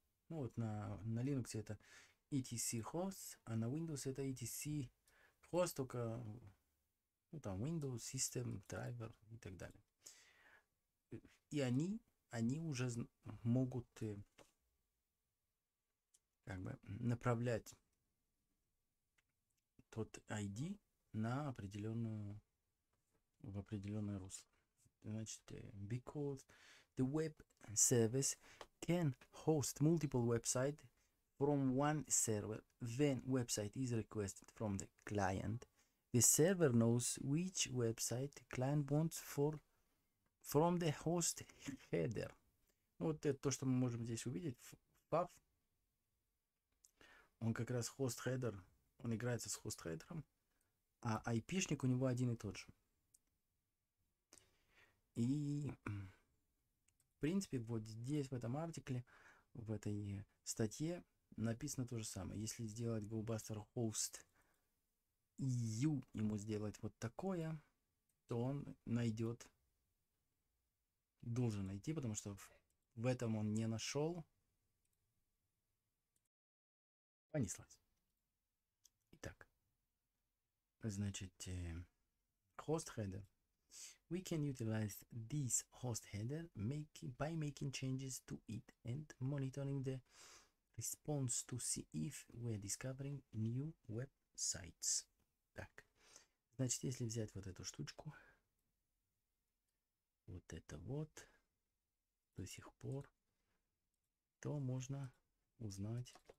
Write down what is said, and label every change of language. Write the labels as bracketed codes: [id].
[ru] Ну вот на Linux это etc host, а на Windows это etc host, только ну там Windows, System, Driver и так далее. И они уже могут как бы направлять тот ID на определенную в определенное русло. [en] Значит, because the web service can host multiple websites from one server, when website is requested from the client, the server knows which website client wants from the host header. [ru] Ну, вот это то, что мы можем здесь увидеть. Пав. Он как раз host header. Он играется с host header. А IP-шник у него один и тот же. И в принципе, вот здесь, в этом артикле, в этой статье, написано то же самое. Если сделать GoBuster host EU, ему сделать вот такое, то он найдет. Должен найти, потому что в этом он не нашел. Понеслась. Итак. Значит, host header. [en] We can utilize this host header by making changes to it and monitoring the response to see if we're discovering new websites. [ru] Так. Значит, если взять вот эту штучку. Вот это вот до сих пор, то можно узнать.